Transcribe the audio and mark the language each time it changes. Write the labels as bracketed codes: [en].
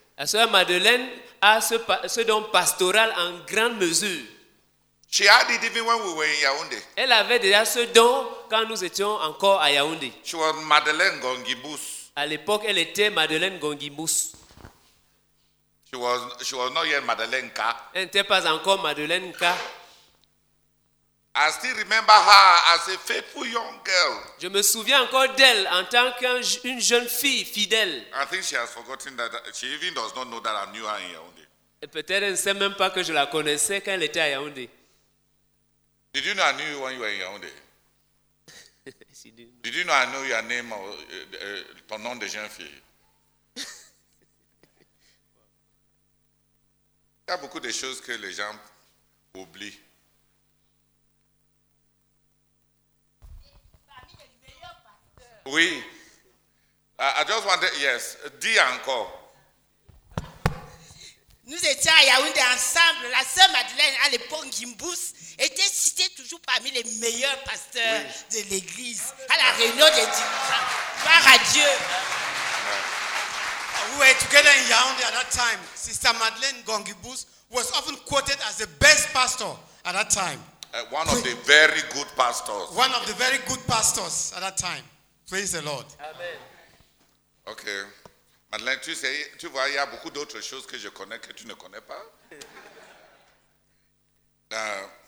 [fr] La sœur Madeleine a ce don pastoral en grande mesure. [en] She had it even when we were in Yaoundé. [fr] Elle avait déjà ce don quand nous étions encore à Yaoundé. [en] She was Madeleine Gongibus. [fr] À l'époque, elle était Madeleine Gongibus. [en] She was not yet Madeleine K. [fr] Elle n'était pas encore Madeleine K. [en] I still remember her as a faithful young girl. [fr] Je me souviens encore d'elle en tant qu'une jeune fille fidèle. [en] I think she has forgotten that she even does not know that I knew her in Yaoundé. [fr] Et peut-être elle ne sait même pas que je la connaissais quand elle était à Yaoundé. [en] Did you know I knew you when you were in Yaoundé? Did you know I know your name or [fr] ton nom de jeune fille? Il y a beaucoup de choses que les gens oublient. [en] Oui. I just wanted, yes, [fr] dis encore. Nous étions à Yaoundé ensemble. La sœur Madeleine, à l'époque, Gimbus, était citée toujours parmi les meilleurs pasteurs oui. de l'Église. À la réunion des dirigeants. Gloire à Dieu. [en] We were together in Yaoundé at that time. Sister Madeleine Gongibus was often quoted as the best pastor at that time. One of the very good pastors. One of the very good pastors at that time. Praise the Lord. Amen. Okay. [fr] Madeleine, tu sais, tu vois, il y a beaucoup d'autres choses que je connais que tu ne connais pas.